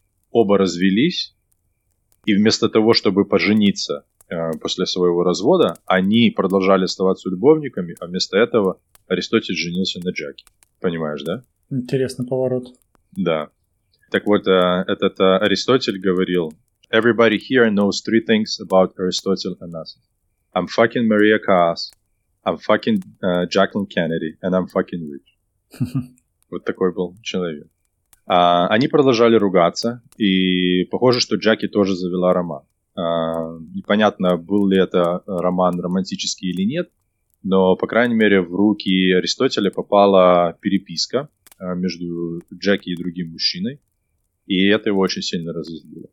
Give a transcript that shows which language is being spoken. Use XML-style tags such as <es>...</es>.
<ru>Оба развелись, и вместо того, чтобы пожениться после своего развода, они продолжали оставаться любовниками, а вместо этого Аристотель женился на Джеки. Понимаешь, да? Интересный поворот. Да. Так вот, этот Аристотель говорил,</ru> <en>everybody here knows three things about Aristotle and us. I'm fucking Maria Kaas, I'm fucking Jacqueline Kennedy, and I'm fucking rich.</en> <ru>Вот такой был человек. Они продолжали ругаться, и похоже, что Джаки тоже завела роман. Непонятно, был ли это роман романтический или нет, но, по крайней мере, в руки Аристотеля попала переписка между Джаки и другим мужчиной, и это его очень сильно разозлило.</ru>